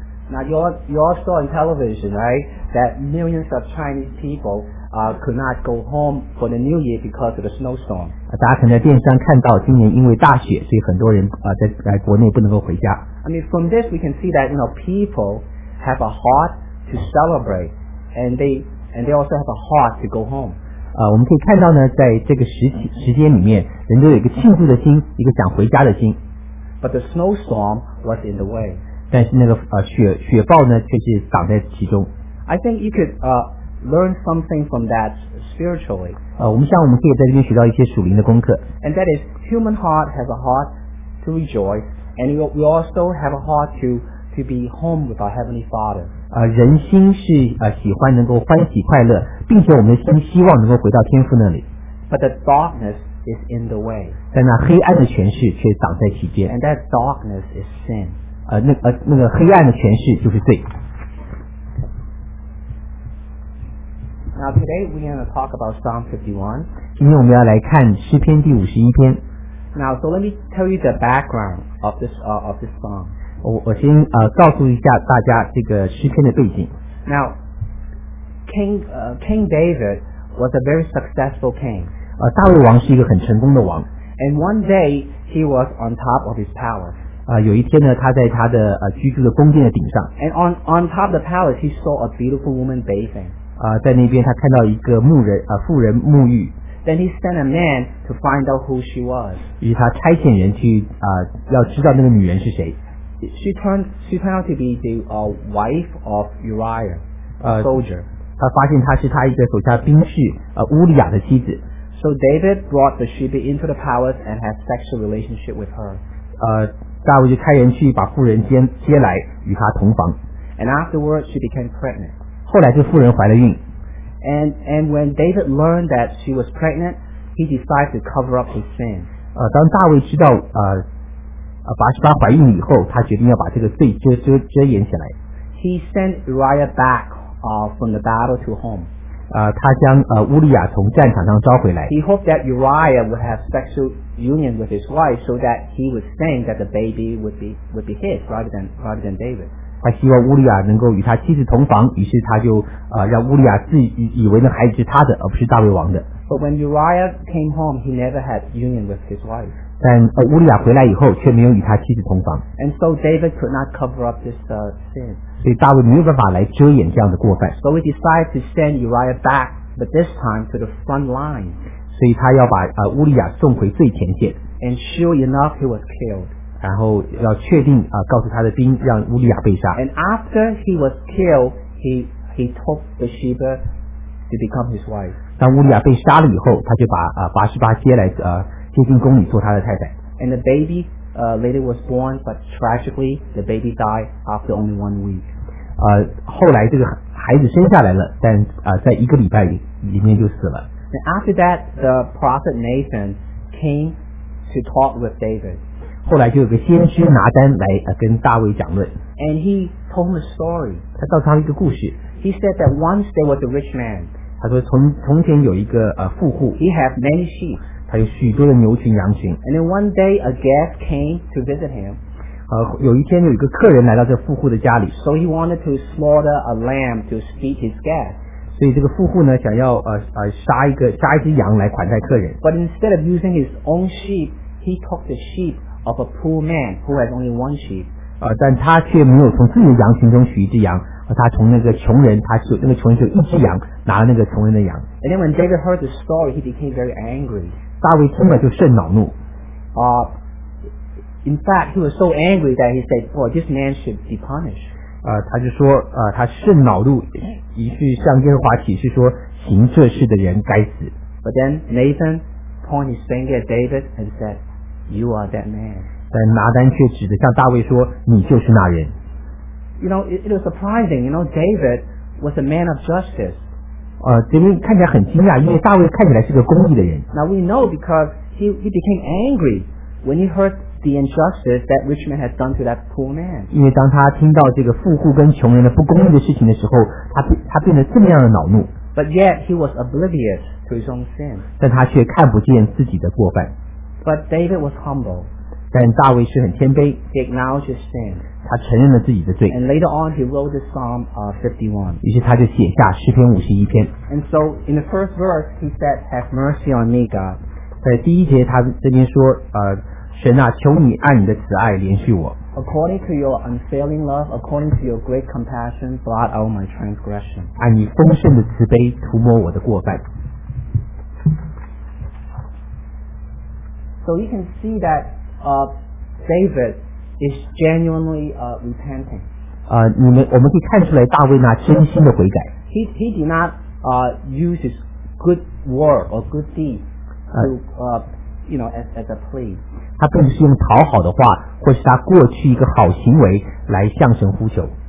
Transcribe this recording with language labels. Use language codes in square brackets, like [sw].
[en] Now you all saw on television, right, that millions of Chinese people could not go home for the New Year because of the snowstorm. [zh] 大家可能在电视上看到，今年因为大雪，所以很多人在国内不能够回家。 [en] I mean, from this we can see that you know people have a heart to celebrate, and they also have a heart to go home. [zh] 我们可以看到呢，在这个时间里面，人都有一个庆祝的心，一个想回家的心。 [en] But the snowstorm was in the way. [zh] 但是那个雪暴呢，却是挡在其中。 [en] I think you could learn something from that spiritually. [zh] 我们可以在这边学到一些属灵的功课。 [en] And that is, human heart has a heart to rejoice, and we also have a heart to be home with our heavenly Father. [zh] 人心是喜欢能够欢喜快乐，并且我们的心希望能够回到天父那里。 [en] But the darkness is in the way. [zh] 但那黑暗的权势却挡在其间。 [en] And that darkness is sin. [zh] 那个黑暗的权势就是罪。 [en] Now today we are going to talk about Psalm 51. [zh] 今天我们要来看诗篇第51篇。 [en] Now, so let me tell you the background of this psalm. [zh] 我先告诉一下大家这个诗篇的背景。 [en] Now, King David was a very successful king. [zh] 大卫王是一个很成功的王。 [en] And one day he was on top of his palace. [zh] 有一天呢，他在他的居住的宫殿的顶上。 [en] And on top of the palace, he saw a beautiful woman bathing. [zh] 在那边他看到一个牧人妇人沐浴。 [en] Then he sent a man to find out who she was. [zh] 于是他差遣人去要知道那个女人是谁。 [en] She turned out to be the wife of Uriah, a soldier. [zh] 他发现她是他一个手下兵士乌利亚的妻子。 [en] So David brought Bathsheba into the palace and had sexual relationship with her. [zh] 大卫就差人去把妇人接来与她同房。 [en] And afterwards she became pregnant. [zh] 后来这妇人怀了孕。 [en] And when David learned that she was pregnant, he decided to cover up his sin. [zh] 当大卫知道拔示巴怀孕以后，他决定要把这个罪遮掩起来。 [en] He sent Uriah back from the battle to home. [zh] 他将乌利亚从战场上召回来。 [en] He hoped that Uriah would have sexual union with his wife so that he would think that the baby would be his rather than David. [zh] 他希望乌利亚能够与他妻子同房，于是他就让乌利亚自己以为那孩子是他的，而不是大卫王的。 [en] But when Uriah came home, he never had union with his wife. [zh] 但乌利亚回来以后，却没有与他妻子同房。 [en] And so David could not cover up this sin. [zh] 所以大卫没有办法来遮掩这样的过犯。 [en] So he decided to send Uriah back, but this time to the front line. [zh] 所以他要把乌利亚送回最前线。 [en] And sure enough, he was killed. [zh] 然后要确定告诉他的兵让乌利亚被杀。 [en] And after he was killed, he took Bathsheba to become his wife. [zh] 当乌利亚被杀了以后，他就把拔示巴接来接进宫里做他的太太。 [en] And the baby later was born, but tragically the baby died after only 1 week. [zh] 后来这个孩子生下来了，但在一个礼拜里面就死了。 [en] And after that, the prophet Nathan came to talk with David. [zh] 后来就有个先知拿单来跟大卫讲论。 [en] And he told him a story. [zh] 他告诉他一个故事。 [en] He said that once there was a rich man. [zh] 他说从前有一个富户。 [en] He had many sheep. [zh] 他有许多的牛群羊群。 [en] And then one day a guest came to visit him. [zh] 有一天有一个客人来到这富户的家里。 [en] So he wanted to slaughter a lamb to feed his guest. [zh] 所以这个富户呢想要杀一只羊来款待客人。 [en] But instead of using his own sheep, he took the sheep. Of a poor man who has only one sheep. [zh] 但他却没有从自己的羊群中取一只羊，而他从那个穷人，那个穷人只有一只羊，拿了那个穷人的羊。 [en] And then when David heard the story, he became very angry. [zh] 大卫听了就甚恼怒。 [en] In fact, he was so angry that he said, "Boy, this man should be punished." [zh] 他就说，他甚恼怒，于是向耶和华起誓说，行这事的人该死。 [en] But then Nathan pointed his finger at David and said. You are that man. [zh] 但拿单却指着向大卫说：“你就是那人。” [en] You know, it was surprising. You know, David was a man of justice. [zh] 这边看起来很惊讶，因为大卫看起来是个公义的人。 [en] Now we know because he became angry when he heard the injustice that rich man had done to that poor man. [zh] 因为当他听到这个富户跟穷人的不公义的事情的时候，他变得这么样的恼怒。 [en] But yet he was oblivious to his own sin. [zh] 但他却看不见自己的过犯。 [en] But David was humble. [zh] 但大卫是很谦卑， [en] he acknowledged his sin， [zh] 他承认了自己的罪。 [en] And later on, he wrote the Psalm 51. [zh] 于是他就写下诗篇五十一篇。 [en] And so in the first verse, he said, "Have mercy on me, God." [zh] 在第一节，他这边说，神啊，求你按你的慈爱怜恤我。 [en] According to your unfailing love, according to your great compassion, blot out my transgression. [zh] 按你丰盛的慈悲，涂抹我的过犯。 [en] So you can see that David is genuinely repenting. [zh] 我们可以看出来大卫那真心的悔改。 [en] He did not use his good word or good deed as a plea. [zh] 他并不是用讨好的话，或是他过去一个好行为来向神呼求。